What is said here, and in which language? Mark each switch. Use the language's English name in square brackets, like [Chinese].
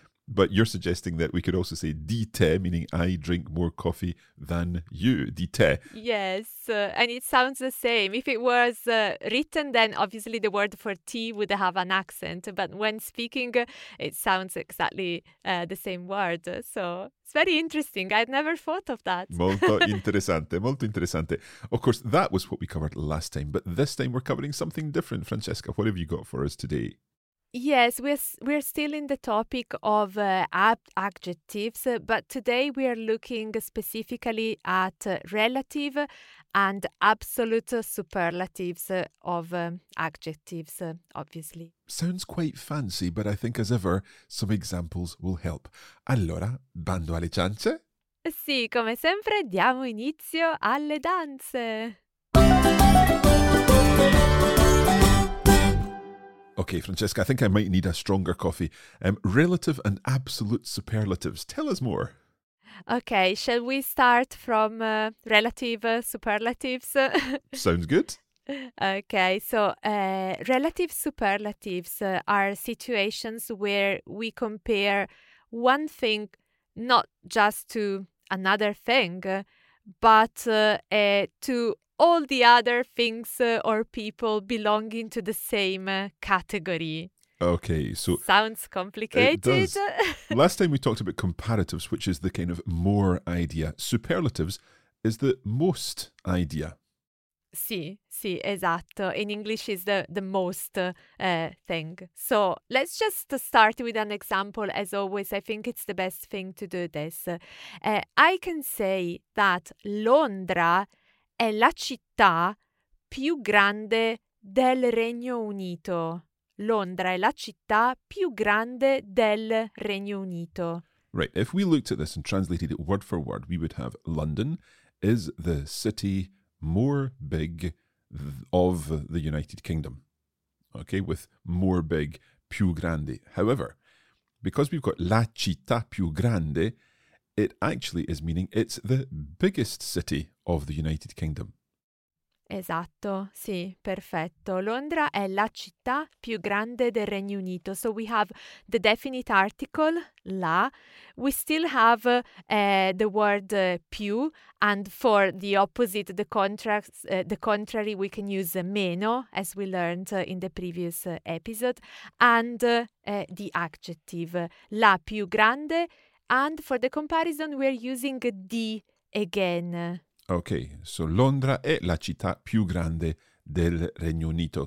[English] But you're suggesting that we could also say [Italian] di tè, [English] meaning I drink more coffee than you, di tè. Yes, and it sounds the same. If it was written, then obviously the word for tea would have an accent. But when speaking, it sounds exactly the same word. So it's very interesting. I'd never thought of that. [Italian] Molto interessante, molto interessante. [English] Of course, that was what we covered last time. But this time we're covering something different. Francesca, what have you got for us today? Yes, we're still in the topic of adjectives, but today we are looking specifically at relative and absolute superlatives of adjectives, obviously. Sounds quite fancy, but I think as ever, some examples will help. [Italian] Allora, bando alle ciance? Sì, come sempre, diamo inizio alle danze! [English] Okay, Francesca, I think I might need a stronger coffee. Relative and absolute superlatives. Tell us more. Okay, shall we start from relative superlatives? Sounds good. Okay, so relative superlatives are situations where we compare one thing not just to another thing, but to all the other things or people belonging to the same category. Okay, so... Sounds complicated. It does. Last time we talked about comparatives, which is the kind of more idea. Superlatives is the most idea. [Italian] Sì, sì, esatto. [English] In English is the most thing. So let's just start with an example. As always, I think it's the best thing to do this. I can say that [Italian] Londra è la città più grande del Regno Unito. Londra è la città più grande del Regno Unito. [English] Right, if we looked at this and translated it word for word, we would have London is the city more big of the United Kingdom. Okay, with more big, [Italian] più grande. [English] However, because we've got [Italian] la città più grande, [English] it actually is meaning it's the biggest city of the United Kingdom. [Italian] Esatto, sì, perfetto. Londra è la città più grande del Regno Unito. [English] So we have the definite article, la. We still have the word più, and for the opposite, the contrary, we can use meno, as we learned in the previous episode, and the adjective, [Italian] la più grande. [English] And for the comparison, we're using di again. Okay, so [Italian] Londra è la città più grande del Regno Unito.